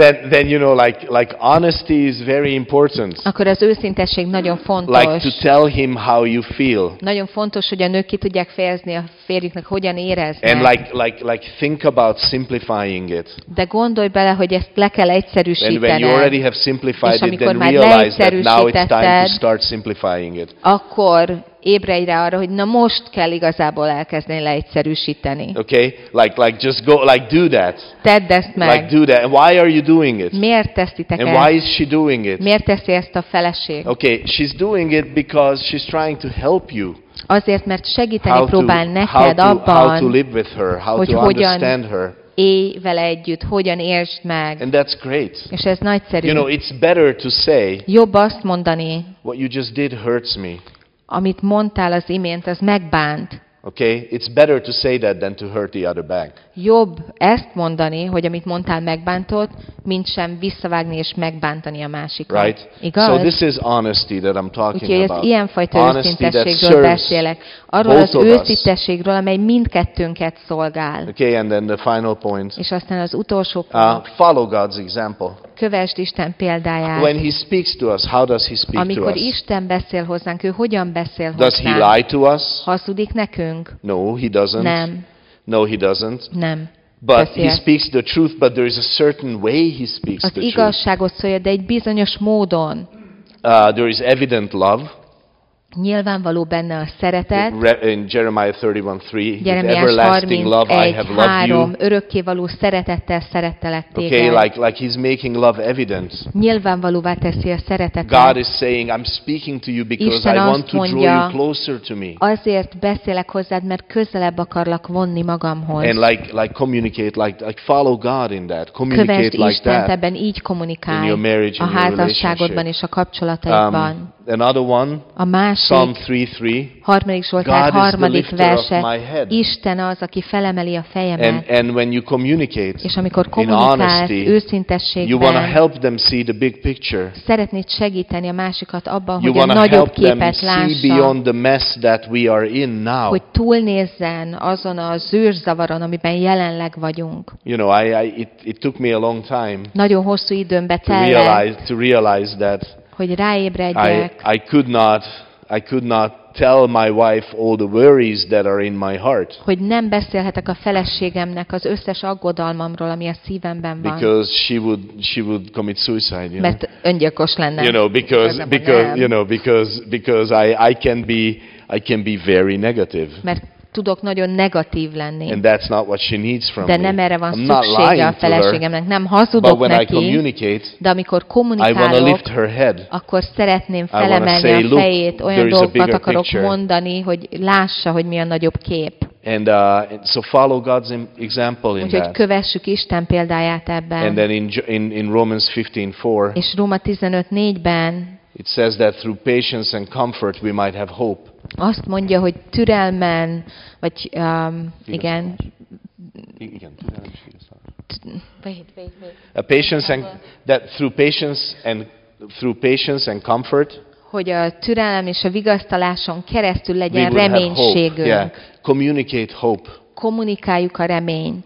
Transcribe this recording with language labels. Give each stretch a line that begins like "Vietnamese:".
English: then you know, like honesty is very important.
Hungarian: Akkor az őszintesség nagyon fontos.
English: Like to tell him how you feel.
Hungarian: Nagyon fontos, hogy a nők ki tudják fejezni a férjüknek, hogyan éreznek.
English: And like think about simplifying it.
Hungarian: De gondolj bele, hogy ezt le kell egyszerűsíteni.
English: And when you already have simplified it, then realize that now it's time to start simplifying it.
Hungarian: Akkor ébredj rá arra, hogy na most kell igazából elkezdeni leegyszerűsíteni.
English: Okay, like just go, like do that.
Hungarian: Tedd ezt meg.
English: Like do that. Why are you doing it?
Hungarian: Miért tesztitek ezt?
English: And why is she doing it?
Hungarian: Miért teszi ezt a feleség?
English: Okay, she's doing it because she's trying to help you.
Hungarian: Azért, mert segíteni próbál neked abban,
English: how to live with her, how
Hungarian: hogy
English: to
Hungarian: hogyan
English: understand her.
Hungarian: Élj vele együtt, hogyan értsd meg.
English: And that's great.
Hungarian: És ez nagyszerű.
English: You know, it's better to say.
Hungarian: Jobb azt mondani.
English: What you just did hurts me.
Hungarian: Amit mondtál az imént, az megbánt.
English: Okay, it's better to say that than to hurt the other back.
Hungarian: Jobb ezt mondani, hogy amit mondtál megbántott, mint sem visszavágni és megbántani a másikat.
English: Right?
Hungarian: Igaz?
English: So this is honesty that I'm talking okay, about.
Hungarian: Ez ilyen fajta őszintességről beszélek. Arról az őszintességről, amely mindkettőnket szolgál.
English: Okay, and then the final point.
Hungarian: És aztán az utolsó pont.
English: Follow God's example.
Hungarian: Kövesd Isten példáját.
English: When he speaks to us, how does he speak to us?
Hungarian: Amikor Isten beszél hozzánk, ő hogyan beszél hozzánk?
English: Does he lie to us?
Hungarian: Hazudik nekünk?
English: No, he doesn't.
Hungarian: Nem.
English: No, he doesn't.
Hungarian: Nem.
English: But he speaks the truth, but there is a certain way he speaks the truth.
Hungarian: Az igazságot szólja, de egy bizonyos módon.
English: There is evident love.
Hungarian: Nyilvánvaló benne a szeretet.
English: In Jeremiah 31:3, everlasting love I have loved you.
Hungarian: Örökkévaló szeretettel szerettelek téged.
English: Okay, like he's making love evident.
Hungarian: Nyilvánvalóvá teszi a szeretetet.
English: God is saying, I'm speaking to you because I want to draw you closer to me.
Hungarian: Azért beszélek hozzád, mert közelebb akarlak vonni magamhoz.
English: And like communicate like follow God in that. Communicate like that.
Hungarian: Kövesd Istent ebben, így kommunikálj.
English: In your marriage,
Hungarian: a házasságodban és a kapcsolataidban.
English: Another one.
Hungarian: A másik,
English: Psalm 3:3.
Hungarian: Harmadik Zsoltár harmadik verse. Isten az, aki felemeli a fejemet.
English: And when you communicate,
Hungarian: és amikor kommunikálsz őszintességben,
English: you want to help them see the big picture.
Hungarian: Szeretnéd segíteni a másikat abban, hogy a nagyobb képet lássa.
English: See beyond the mess that we are in now.
Hungarian: Hogy túlnézzen azon a zűrzavaron, amiben jelenleg vagyunk.
English: You know, it took me a long time.
Hungarian: Nagyon hosszú időn betelt.
English: To realize that.
Hungarian: Hogy ráébredjek.
English: I could not tell my wife all the worries that are in my heart.
Hungarian: Hogy nem beszélhetek a feleségemnek az összes aggodalmamról, ami a szívemben van.
English: Because she would commit suicide.
Hungarian: Mert öngyilkos lenne.
English: You know, because I can be very negative.
Hungarian: Mert tudok nagyon negatív lenni.
English: And that's not what she needs from
Hungarian: de
English: me.
Hungarian: Nem erre van szüksége a feleségemnek, nem hazudok neki, de amikor kommunikálok, akkor szeretném felemelni
English: say,
Hungarian: a fejét, olyan dolgokat akarok mondani, hogy lássa, hogy mi a nagyobb kép.
English: And so follow God's example in
Hungarian: úgyhogy
English: that.
Hungarian: Kövessük Isten példáját ebben.
English: And then in Romans 15:4.
Hungarian: És Róma 15:4-ben
English: it says that through patience and comfort we might have hope.
Hungarian: Azt mondja, hogy türelmen, vagy igen. Igen, türelmen.
English: Patience and that through patience and through patience and comfort.
Hungarian: Hogy a türelem és a vigasztaláson keresztül legyen reménységünk.
English: Yeah. Communicate hope.
Hungarian: Kommunikáljuk a reményt.